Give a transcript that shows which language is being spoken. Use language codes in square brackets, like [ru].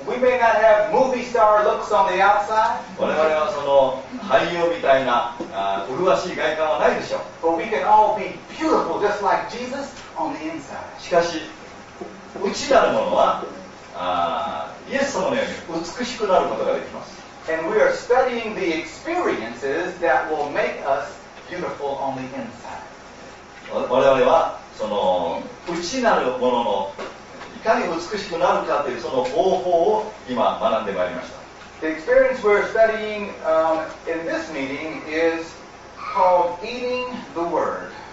[en] We may not have movie star looks on the outside. [ja] 我々はその俳優みたいな麗しい外観はないでしょう。 [en] But we can all be beautiful just like Jesus on the inside. [ja] しかし、内なるものはイエス様のように美しくなることができます。 [en] And we are studying the experiences that will make us beautiful on the inside. [ja] 我々はその内なるもののいかに美しくなるかというその方法を今学んでまいりました。 [en] The experience we're studying, in this meeting is called eating the word.